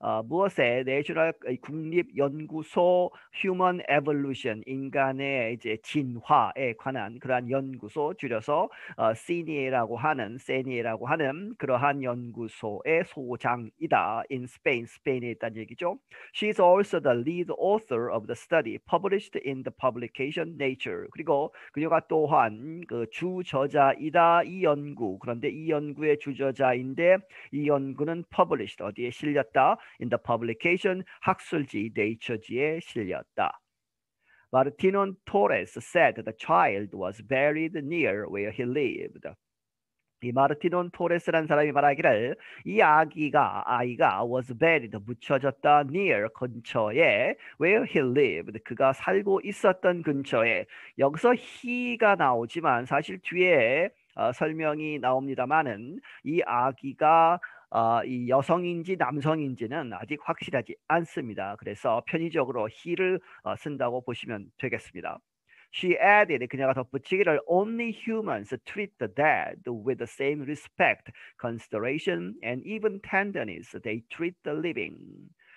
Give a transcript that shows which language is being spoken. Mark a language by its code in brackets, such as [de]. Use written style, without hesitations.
[ko] 무엇의 National 국립연구소 [en] Human Evolution, [ko] 인간의 이제 진화에 관한 그러한 연구소, 줄여서 CENIE라고 하는 그러한 연구소의 소장이다. [en] In Spain, [ko] Spain에 있다는 얘기죠. [en] She's also the lead author of the study published in the publication Nature. [ko] 그리고 그녀가 또한 그 주저자이다, 이 연구. 그런데 이 연구의 주저자인데 이 연구는 published, 어디에 실렸다? [en] In the publication [ko] 학술지 Nature지에 실렸다. [en] Martinon Torres said the child was buried near where he lived. [ko] 이 마르티논 토레스라는 사람이 말하기를 이 아이가 [en] was buried, [ko] 묻혀졌다, near, 근처에, [en] where he lived, [ko] 그가 살고 있었던 근처에. 여기서 he가 나오지만 사실 뒤에 설명이 나옵니다만은 이 아기가 이 여성인지 남성인지는 아직 확실하지 않습니다. 그래서 편의적으로 he를 쓴다고 보시면 되겠습니다. [en] She added, [ko] 그녀가 덧붙이기를, [en] only humans treat the dead with the same respect, consideration, and even tenderness they treat the living.